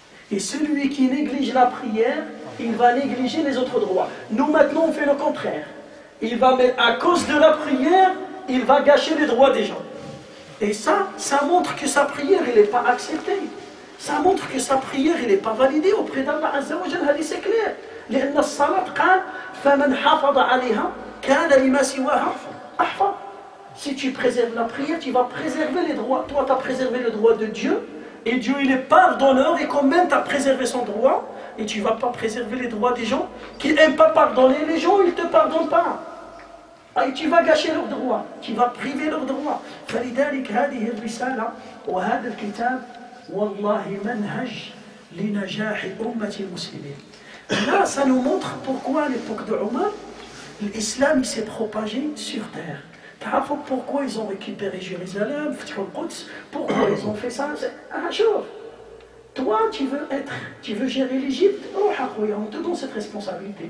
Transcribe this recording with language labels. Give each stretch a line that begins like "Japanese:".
French: Et celui qui néglige la prière, il va négliger les autres droits. Nous, maintenant, on fait le contraire. Il va, mais à cause de la prière, il va gâcher les droits des gens. Et ça, ça montre que sa prière, elle n'est pas acceptée. Ça montre que sa prière, elle n'est pas validée auprès d'Allah Azza wa Jalla. C'est clair.
Arabic: لأن الصلاة قال فمن حافظ عليها كان لما سواها أحفظ.
French: Si tu préserves la prière, tu vas préserver les droits. Toi, tu as préservé le droit de Dieu. Et Dieu, il est pardonneur. Et quand même, tu as préservé son droit. Et tu ne vas pas préserver les droits des gens qui n'aiment pas pardonner. Les gens, ils ne te pardonnent pas. Et tu vas gâcher leurs droits. Tu vas priver leurs droits.
Arabic: فلذلك هذه الرسالة وهذا الكتاب والله منهج لنجاح أمة المسلمين.
French: Là, ça nous montre pourquoi à l'époque de Omar, l'islam il s'est propagé sur terre. Pourquoi ils ont récupéré Jérusalem, pourquoi ils ont fait ça? Un jour, toi tu veux gérer l'Égypte, oh Hakoui, on te donne cette responsabilité.